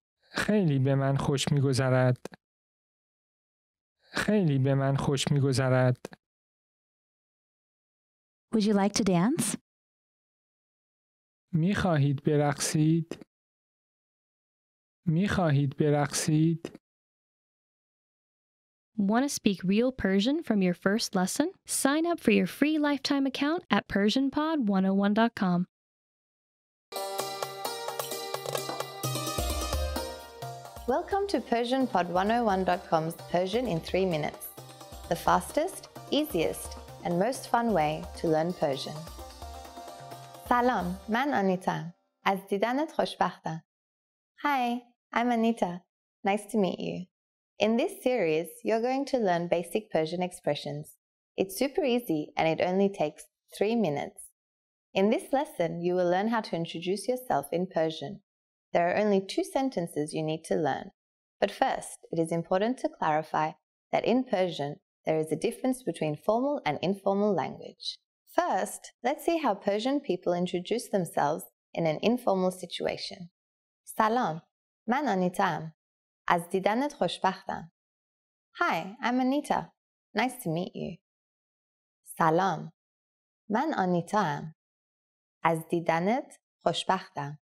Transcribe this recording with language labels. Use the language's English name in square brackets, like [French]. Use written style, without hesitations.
[Persian] خیلی به من خوش می‌گذرد. خیلی به من خوش می‌گذرد. [English] Would you like to dance? [Persian] می‌خواهید برقصید؟ می‌خواهید برقصید؟ [English] Want to speak real Persian from your first lesson? Sign up for your free lifetime account at PersianPod101.com. Welcome to PersianPod101.com's Persian in 3 Minutes, the fastest, easiest, and most fun way to learn Persian. [Persian] Salam, man Anita. Az didanet khoshbakhtam. [English] Hi, I'm Anita. Nice to meet you. In this series, you're going to learn basic Persian expressions. It's super easy and it only takes 3 minutes. In this lesson, you will learn how to introduce yourself in Persian. There are only 2 sentences you need to learn. But first, it is important to clarify that in Persian, there is a difference between formal and informal language. First, let's see how Persian people introduce themselves in an informal situation. [Persian] Salam, man Anitam. Az didanet khoshbakhtam. [English] Hi, I'm Anita. Nice to meet you. Salam. [Persian] Man Anita am. Az didanet khoshbakhtam.